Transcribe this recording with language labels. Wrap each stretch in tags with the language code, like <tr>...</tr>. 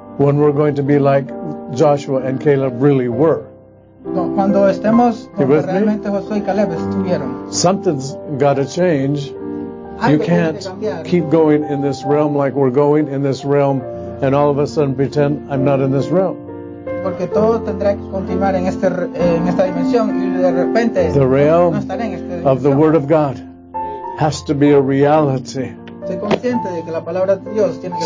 <en>When we're going to be like Joshua and Caleb really were.</en> <es>No, cuando estemos como realmente Josué y Caleb estuvieron.</es> <en>Something's got to change. You can't keep going in this realm like we're going in this realm and all of a sudden pretend I'm not in this realm.</en> <es>Porque todo tendrá que continuar en este, en esta dimensión, y de repente,</es> <en>the realm</en> <es>no estaré en esta dimensión.</es> <en>Of the Word of God has to be a reality.</en> <es>Soy consciente de que la palabra de Dios tiene que</es>